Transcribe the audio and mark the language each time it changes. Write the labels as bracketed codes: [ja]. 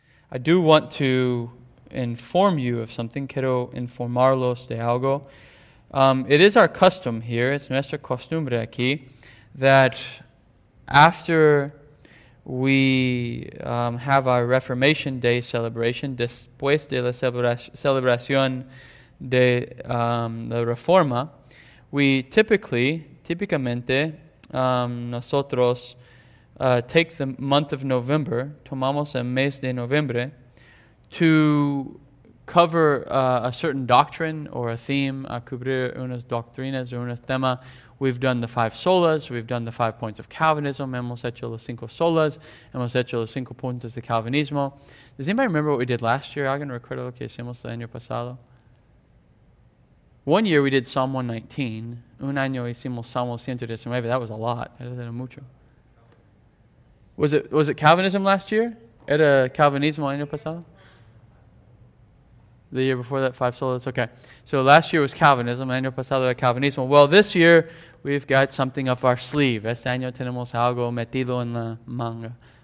[en] I do want to inform you of something. [es] Quiero informarlos de algo. [en] It is our custom here, it's [es] nuestra costumbre aquí, [en] that after we have our Reformation Day celebration, [es] después de la celebración de la Reforma, [en] we typically, [es] nosotros [en] take the month of November, [es] tomamos el mes de noviembre, [en] to cover a certain doctrine or a theme, [es] a cubrir unas doctrinas o unos temas. [en] We've done the five solas, we've done the 5 points of Calvinism, [es] hemos hecho las cinco solas, hemos hecho los cinco puntos de Calvinismo. [en] Does anybody remember what we did last year? [es] ¿Alguien recuerda lo que hicimos el año pasado? [en] 1 year we did Psalm 119, [es] un año hicimos Salmo 119, [en] that was a lot, [es] era mucho. [en] Was it Calvinism last year? [es] Era Calvinismo el año pasado? [en] The year before that, five solas, okay. So last year was Calvinism, [es] año pasado era Calvinismo. [en] Well, this year we've got something up our sleeve. [es] Este año tenemos algo metido en la manga.